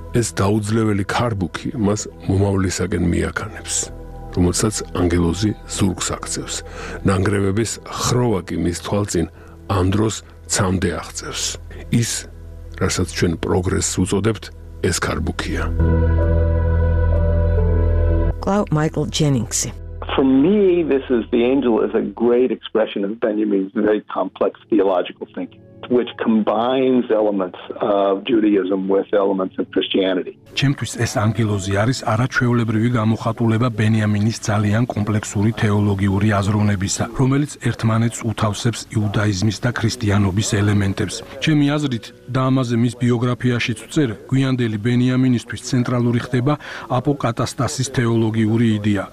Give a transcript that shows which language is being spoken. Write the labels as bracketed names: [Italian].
[Georgian] ეს დაუძლეველი ქარბუქი მას მომავლისაკენ მიაქანებს. რომელსაც ანგელოზი ზურგს აქცევს. ნანგრევების ხროვა კი მის თვალწინ ამ დროს ცამდე აღწევს. ის, რასაც ჩვენ პროგრესს უწოდებთ, ეს ქარბუქია. კლაუ მაიკლ ჯენინგსი. [English] For me, this is the angel is a great expression of Benjamin's very complex theological thinking. Which combines elements of Judaism with elements of Christianity. [Georgian] ჩემთვის ეს ანგელოზი არის არაჩვეულებრივი გამოხატულება ბენიამინის ძალიან კომპლექსური თეოლოგიური აზროვნებისა, რომელიც ერთმანეთს უთავსებს იუდაიზმის და ქრისტიანობის ელემენტებს. ჩემი აზრით, და ამაზე მის ბიოგრაფიაშიც წერ, გვიანდელი ბენიამინისთვის ცენტრალური ხდება აპოკატასტასის თეოლოგიური იდეა.